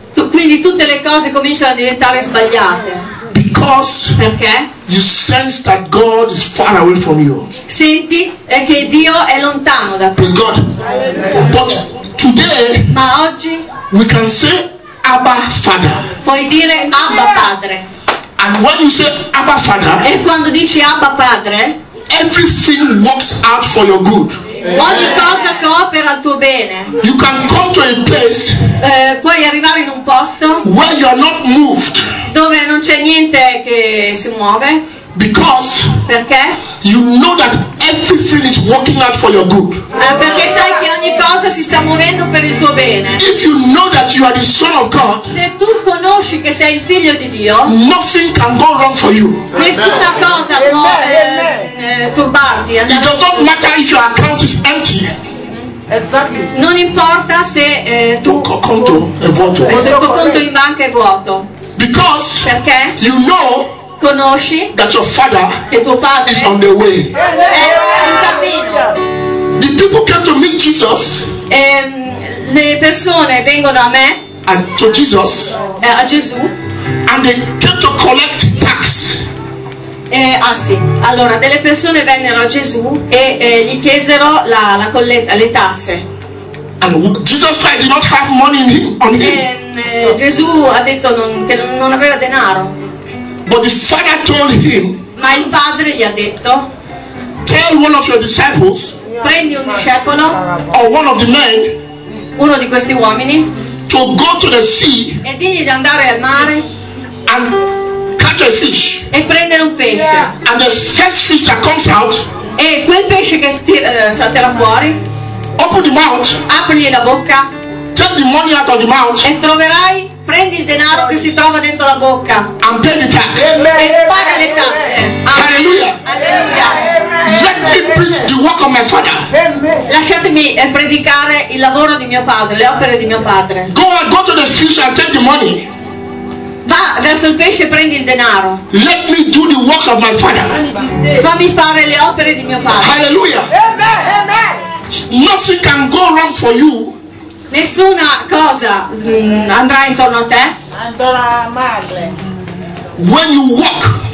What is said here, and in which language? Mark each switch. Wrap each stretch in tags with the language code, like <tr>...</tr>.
<it>Quindi tutte le cose cominciano a diventare sbagliate.</it> <en>Because</en> <it>perché?</it> <en>You sense that God is far away from you.</en> <it>Senti che Dio è lontano da te.</it> <en>Praise God. But today,</en> <it>ma oggi,</it> <en>we can say, Abba Father.</en> <it>Puoi dire Abba Padre.</it> <en>And when you say Abba Father,</en> <it>e quando dici Abba Padre,</it> <en>everything works out for your good.</en> <it>Ogni cosa coopera al tuo bene.</it> <en>You can come to a place</en> <it>puoi arrivare in un posto</it> <en>where you are not moved,</en> <it>dove non c'è niente che si muove,</it> <en>because</en> <it>perché</it> <en>you know that everything is working out for your good.</en> <it>Perché sai che ogni cosa si sta muovendo per il tuo bene.</it> <en>If you know that you are the son of God,</en> <it>se tu conosci che sei il figlio di Dio,</it> <en>nothing can go wrong for you.</en> <it>Nessuna cosa può turbarti.</it> <en>It does not matter if your account is empty.</en> <it>Esattamente. Non importa se il tuo conto in banca è vuoto.</it> <en>Because</en> <it>perché</it> <en>you know,</en> <it>conosci</it> <en>that your father,</en> <it>che tuo padre</it> <en>is on the way,</en> <it>è in cammino.</it> <en>The people come to meet Jesus,</en> <it>le persone vengono a me,</it> <en>and to Jesus,</en> <it>a Gesù,</it> <en>and they came to collect tax.</en> <it>Allora delle persone vennero a Gesù e gli chiesero la colletta, le tasse.</it> <en>Jesus Christ did not have money on him.</en> <it>Gesù ha detto che non aveva denaro.</it> <en>But the father told him,</en> <it>ma il padre gli ha detto,</it> <en>tell one of your disciples,</en> <it>prendi un discepolo,</it> <en>or one of the men,</en> <it>uno di questi uomini,</it> <en>to go to the sea,</en> <it>e digli di andare al mare,</it> <en>and catch a fish,</en> <it>e prendere un pesce,</it> <en>and the first fish that comes out,</en> <it>e quel pesce che salterà fuori,</it> <en>open the mouth,</en> <it>apri la bocca,</it> <en>take the money out of the mouth,</en> <it>e troverai, prendi il denaro che si trova dentro la bocca</it> <en>and pay the tax.</en> <it>E paga le tasse. Alleluia.</it> <en>Let me preach the work of my father.</en> <it>Lasciatemi predicare il lavoro di mio padre, le opere di mio padre.</it> <en>Go to the fish and take the money.</en> <it>Va verso il pesce e prendi il denaro.</it> <en>Let me do the works of my father.</en> <it>Fammi fare le opere di mio padre.</it> <en>Alleluia. Nothing can go wrong for you.</en> <it>Nessuna cosa andrà intorno a te. Andrà male.</it> <en>When you walk,</en>